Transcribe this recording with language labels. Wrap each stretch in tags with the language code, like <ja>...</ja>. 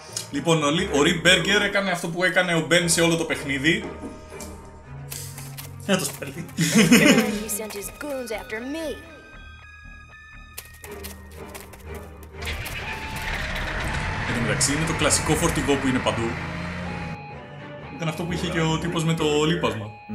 <el>Λοιπόν, ο Ρι Μπέργκερ έκανε αυτό που έκανε ο Μπεν σε όλο το παιχνίδι. Να το σπέλνει.</el> <en>He sent his goons after me.</en> <el>Εν τω μεταξύ είναι το κλασικό φορτηγό που είναι παντού. Ήταν αυτό που είχε και ο τύπος με το λίπασμα.</el>